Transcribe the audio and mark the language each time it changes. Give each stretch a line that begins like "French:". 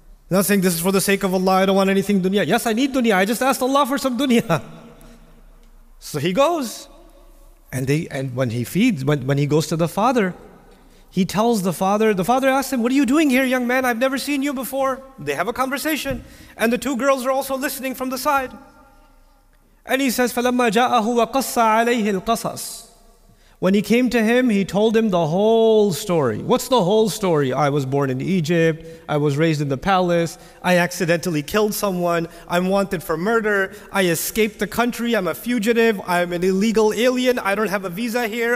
English: I'm not saying this is for the sake of Allah, I don't want anything dunya. Yes, I need dunya. I just asked Allah for some dunya. So he goes. And when he goes to the father, he tells the father, asks him, what are you doing here, young man? I've never seen you before. They have a conversation. And the two girls are also listening from the side. And he says,
Arabic: فَلَمَّا جَاءَهُ وَقَصَّ عَلَيْهِ الْقَصَصِ.
English: When he came to him, he told him the whole story. What's the whole story? I was born in Egypt. I was raised in the palace. I accidentally killed someone. I'm wanted for murder. I escaped the country. I'm a fugitive. I'm an illegal alien. I don't have a visa here.